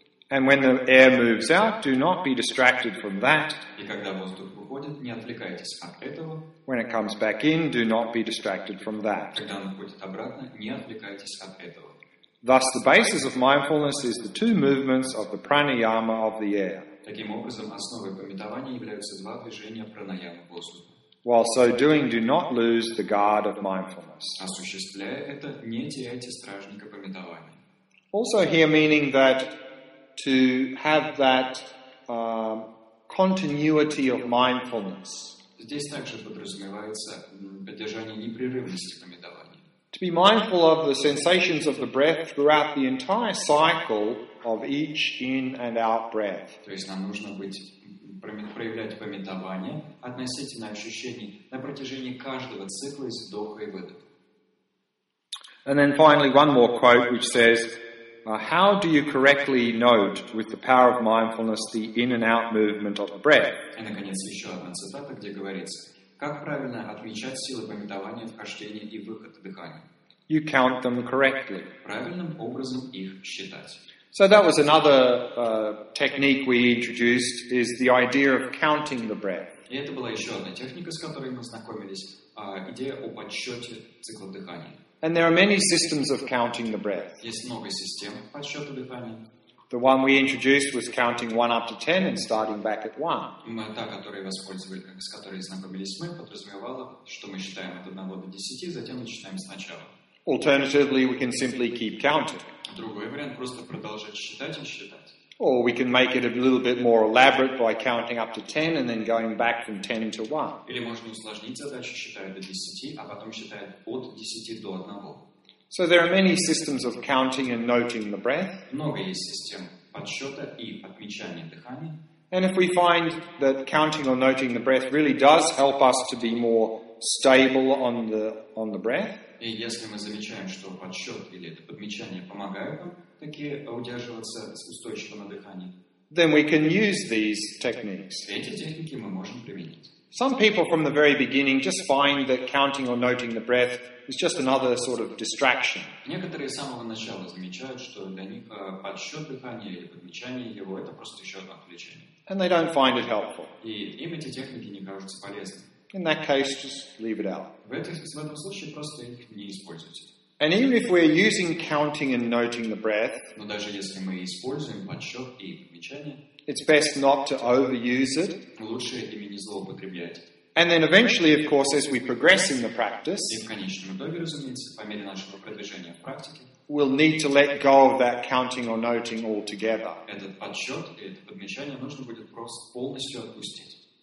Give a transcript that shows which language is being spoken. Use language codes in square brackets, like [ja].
[en] And when the air moves out, do not be distracted from that. [ru] И когда воздух выходит, не отвлекайтесь от этого. [en] When it comes back in, do not be distracted from that. [ru] Когда он входит обратно, не отвлекайтесь от этого. [en] Thus, the basis of mindfulness is the two movements of the pranayama of the air. [ru] Таким образом, основой памятования являются два движения пранаямы воздуха. [en] While so doing, do not lose the guard of mindfulness. [ru] Осуществляя это, не теряйте стражника памятования. [en] Also here meaning that to have that continuity of mindfulness. [ru] Здесь также подразумевается поддержание непрерывности памятования. [en] To be mindful of the sensations of the breath throughout the entire cycle of each in and out breath. [ru] То есть нам нужно проявлять памятование относительно ощущений на протяжении каждого цикла из вдоха и выдоха. [en] And then finally one more quote which says, how do you correctly note with the power of mindfulness the in and out movement of the breath? [ru] И наконец еще одна цитата, где говорится, как правильно отмечать силы памятования вхождения и выхода дыхания? [en] You count them correctly. [ru] Правильным образом их считать. [en] So that was another technique we introduced, is the idea of counting the breath. [ru] И это была еще одна техника, с которой мы знакомились, идея о подсчете цикла дыхания. [en] And there are many systems of counting the breath. [ru] Есть много систем подсчета дыхания. [en] The one we introduced was counting 1 up to 10 and starting back at 1. [ru] Та, которой воспользовались, с которой знакомились мы, подразумевала, что мы считаем от 1 до 10, затем начинаем сначала. [en] Alternatively, we can simply keep counting. [ru] Другой вариант, просто продолжать считать и считать. [en] Or we can make it a little bit more elaborate by counting up to 10 and then going back from 10 to 1. [ru] Или можно усложнить задачу, считая до 10, а потом считая от 10 до 1. [en] So there are many systems of counting and noting the breath. [ru] Много есть систем подсчета и отмечания дыхания. [en] And if we find that counting or noting the breath really does help us to be more stable on the breath. [ru] И если мы замечаем, что подсчет или это подмечание помогают нам таки удерживаться устойчиво на дыхании, [en] then we can use these techniques. [ru] Эти техники мы можем применить. [en] Some people from the very beginning just find that counting or noting the breath is just another sort of distraction. [ru] Некоторые с самого начала замечают, что для них подсчет дыхания или подмечание его это просто еще одно отвлечение. [en] And they don't find it helpful. [ru] И им эти техники не кажутся полезными. [en] In that case, just leave it out. [ru] В этом случае просто их не используйте. [en] And even if we're using counting and noting the breath, [ru] но даже если мы используем подсчет и подмечание, [en] it's best not to overuse it. [ru] Лучше ими не злоупотреблять. [en] And then eventually, of course, as we progress in the practice, [ru] и в конечном итоге, разумеется, по мере нашего продвижения в практике, [en] we'll need to let go of that counting or noting altogether. [ru] Этот подсчет и это подмечание нужно будет просто полностью отпустить.